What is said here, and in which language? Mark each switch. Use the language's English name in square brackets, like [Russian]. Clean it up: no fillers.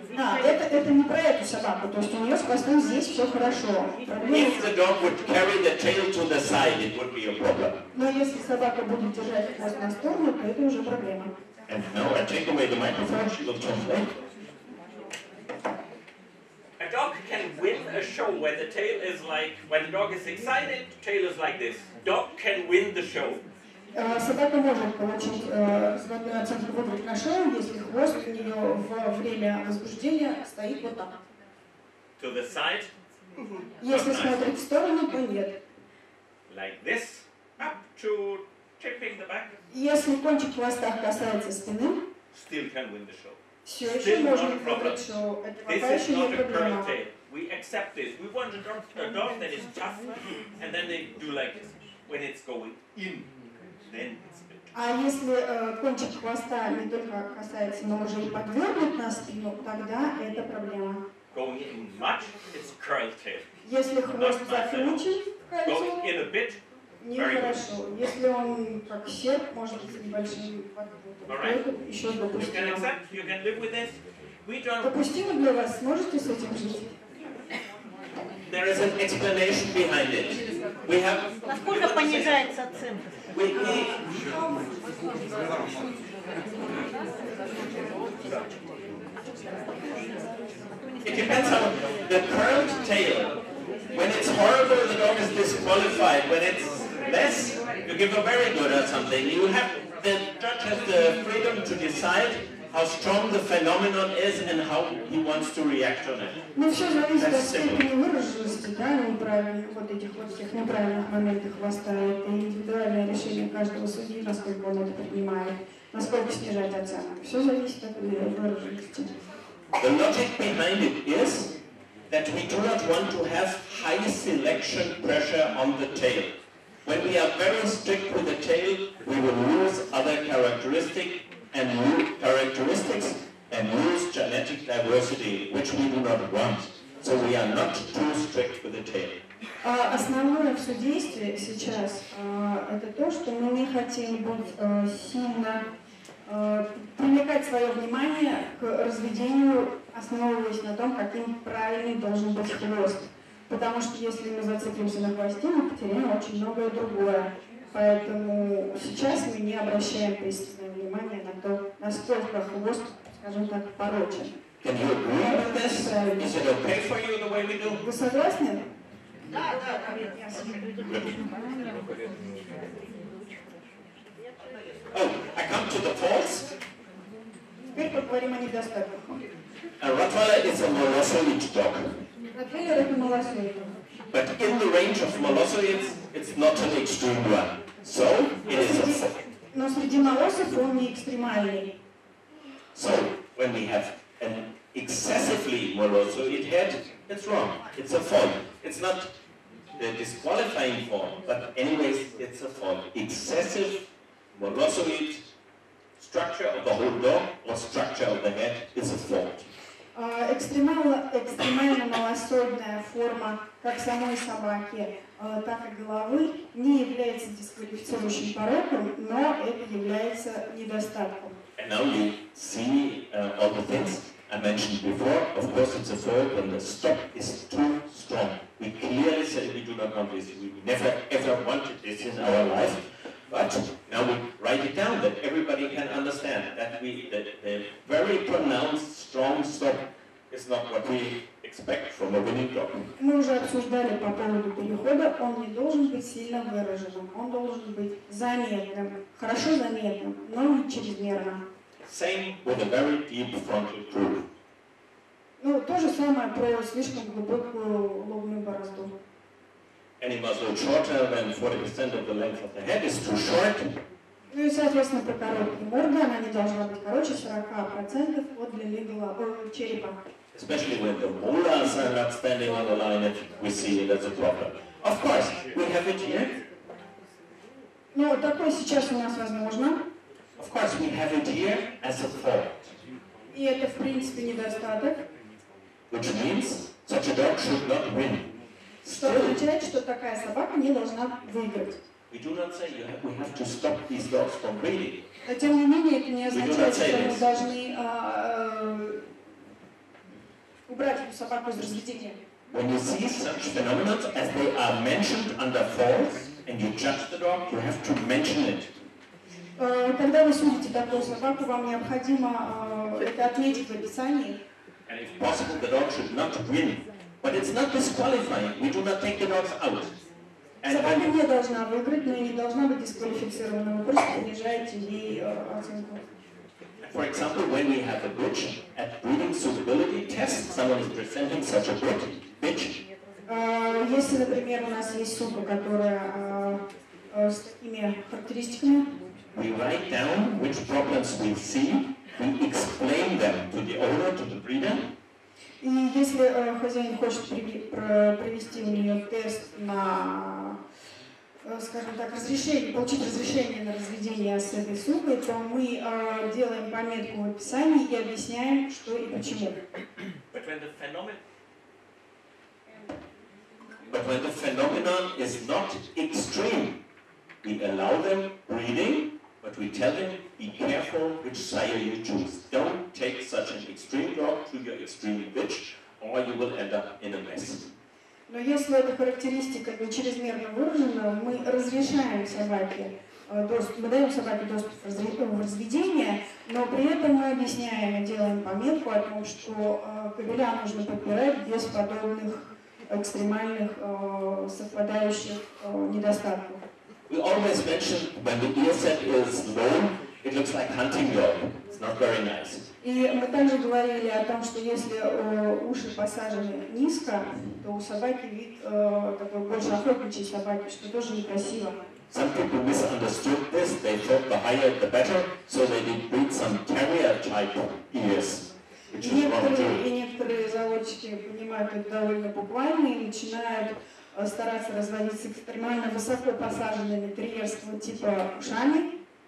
[Russian] Да, это не про эту собаку, то есть у нее с хвостом здесь все хорошо. [English] If the dog would carry the tail to the side, it would be a problem. [Russian] Но если собака будет держать хвост на сторону, то это уже проблема. [English] And now I take away the microphone. She will talk later. A dog can win a show where the tail is like, when the dog is excited, the tail is like this. Dog can win the show. [Russian] Собака может получить звание центр выборки на шоу, если хвост у нее в время возбуждения стоит вот так. [English] To the side? [Russian] Если смотрит в сторону, то нет. [English] Like this? Up to tipping the back? [Russian] Если кончик хвоста касается спины, [English] still can win the show. [Russian] Все еще можно выиграть шоу. Это пока еще не проблема. [English] We accept this. We want a dog that is tough, and then they do like this. When it's going in, then it's a bit. [Russian] А если кончик хвоста не только касается, но уже и подвернут на спину, тогда это проблема. [English] Going in much, it's curled tail. [Russian] Если хвост закручен в кольцо, [English] going in a bit, [Russian] нехорошо. Если он как серп, может быть небольшим подвернутым, еще допустимо. [English] You can accept, you can live with this. We don't. [Russian] Допустимо для вас, можете с этим жить? [English] There is an explanation behind it. We have. [Russian] Насколько понижается цена? [English] We need. It depends on the curled tail. When it's horrible, the dog is disqualified. When it's less, you give a very good or something. You have the judge has the freedom to decide how strong the phenomenon is and how he wants to react on it. [Russian] Ну все зависит от степени выраженности, да, неправильных вот этих вот всех неправильных моментов хвоста. Это индивидуальное решение каждого судьи, насколько он это принимает, насколько снижать оценку. Все зависит от выраженности. [English] The logic behind it is that we do not want to have high selection pressure on the tail. When we are very strict with the tail, we will lose other characteristics. And new characteristics and lose genetic diversity, which we do not want. So we are not too strict with the tail. [Russian] Основное все действие сейчас это то, что мы не хотим быть сильно привлекать свое внимание к разведению, основываясь на том, каким правильный должен быть хвост. Потому что если мы зацепимся на хвосте, мы потеряем очень многое другое. Поэтому сейчас мы не обращаем пристального внимания на то, насколько хвост, скажем так, порочен. [English] Can you agree with this? [Russian] Правильно. [English] Is it okay for you the way we do? [Russian] Вы согласны? Да, да, да. [English] Oh, I come to the faults. [Russian] Теперь поговорим о недостатках. [English] A Rottweiler is a molossoid dog. [Russian] Rottweiler это молоссоид. [English] But in the range of molossoids, it's not an extreme one. So it is a fault. [Russian] Но среди молоссов он не экстремальный. [English] So when we have an excessively molossoid head, it's wrong. It's a fault. It's not the disqualifying form, but anyways, it's a fault. Excessive molossoid structure of the whole dog or structure of the head is a fault. [Russian] Экстремально малосольная форма как самой собаки, так и головы не является дисквалифицирующим пороком, но это является недостатком. [English] And now you see all the things I mentioned before. Of course, it's a fault when the stop is too strong. We clearly said we do not want this. We never ever wanted this in our life. But now we write it down that everybody can understand that we that the very pronounced strong stop is not what we expect from a winning dog. [Russian] Мы уже обсуждали по поводу перехода. Он не должен быть сильно выраженным. Он должен быть заметным, хорошо заметным, но не чрезмерно. [English] Same with a very deep frontal groove. [Russian] Ну то же самое про слишком глубокую лобную борозду. [English] Any muzzle shorter than 40% of the length of the head is too short. [Russian] Ну и соответственно про короткую морду она не должна быть короче 40% от длины черепа. [English] Especially when the molars are not standing on the line, we see it as a problem. Of course, we have it here. [Russian] Ну такое сейчас у нас возможно. [English] Of course, we have it here as a fault. [Russian] И это в принципе недостаток. [English] Which means such a dog should not win. [Russian] что означает, что такая собака не должна выиграть. [English] We do not say we have to stop these dogs from breeding. [Russian] Но тем не менее это не означает, что мы должны убрать эту собаку из разведения. [English] When you see such phenomena as they are mentioned under false and you judge the dog, you have to mention it. [Russian] Когда вы судите такую собаку, вам необходимо это отметить в описании. [English] And if possible, the dog should not win. But it's not disqualifying. We do not take the dogs out. [Russian] Собака не должна выиграть, но и не должна быть дисквалифицирована. Вы просто понижаете ей оценку. [English] For example, when we have a bitch at breeding suitability test, someone is presenting such a good bitch. [Russian] Если, например, у нас есть сумка, которая с такими характеристиками, [English] we write down which problems we see, we explain them to the owner, to the breeder. [Russian] И если хозяин хочет провести у нее тест на, скажем так, разрешение, получить разрешение на разведение с этой сумкой, то мы делаем пометку в описании и объясняем, что и почему. [English] But when the phenomenon is not extreme, we allow them breeding, but we tell them, be careful which sire you choose. Don't take such an extreme dog to your extreme bitch, or you will end up in a mess. [Russian] Но если эта характеристика не чрезмерно выражена, мы разрешаем собаке доступ, мы даем собаке доступ в разведение, но при этом мы объясняем и делаем пометку о том, что кобеля нужно подбирать без подобных экстремальных совпадающих недостатков. [English] We always mention when the ear set is low, it looks like hunting dog. It's not very nice. [Russian] И мы также говорили о том, что если уши посажены низко, то у собаки вид такой больше охотничьей собаки, что тоже некрасиво. [English] Some people misunderstood this. They thought the higher the better, so they did breed some terrier type ears. [Russian] Некоторые заводчики понимают это довольно буквально и начинают стараться разводить с экстремально высоко посаженными триерского типа ушами.